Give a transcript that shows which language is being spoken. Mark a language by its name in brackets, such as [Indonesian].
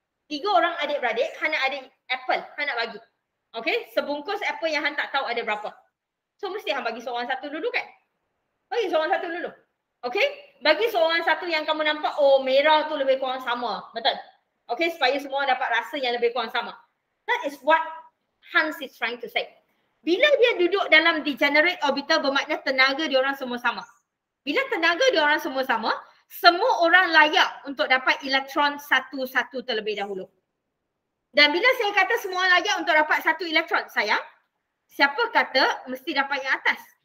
[Malay] Tiga orang adik-beradik, han nak ada apple, han nak bagi. Okay, sebungkus apple yang han tak tahu ada berapa. So mesti han bagi seorang satu dulu kan? Bagi seorang satu dulu. Okay, bagi seorang satu yang kamu nampak, oh merah tu lebih kurang sama. Betul? Okay, supaya semua dapat rasa yang lebih kurang sama. [English] That is what Hans is trying to say. [Malay] Bila dia duduk dalam degenerate orbital bermakna tenaga dia orang semua sama. Bila tenaga dia orang semua sama, semua orang layak untuk dapat elektron satu-satu terlebih dahulu. Dan bila saya kata semua layak untuk dapat satu elektron, sayang, siapa kata mesti dapat yang atas?